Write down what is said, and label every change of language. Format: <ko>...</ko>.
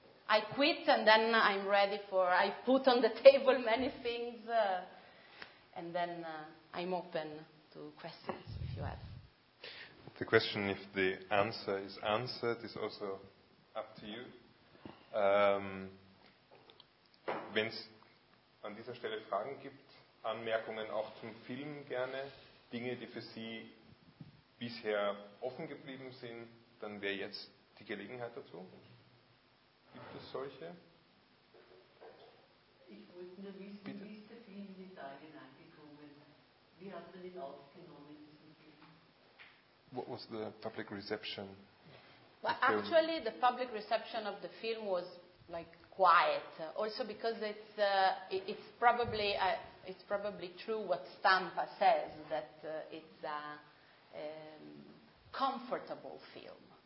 <en>I quit and then I'm ready for... I put on the table many things and then I'm open to questions if you have. The question if the answer is answered is also up to you.</en> <de>Wenn es an dieser Stelle Fragen gibt, Anmerkungen auch zum Film gerne... Dinge, die für Sie bisher offen geblieben sind, dann wäre jetzt die Gelegenheit dazu. Gibt es solche? Ich wollte nur wissen, bitte? Wie ist der Film in Italien angekommen? Wie hat man ihn aufgenommen, diesen Film?</de> <en>What was the public reception? Well, actually, the public reception of the film was like quiet. Also, because it's probably true what Stampa says, that it's a comfortable film.</en>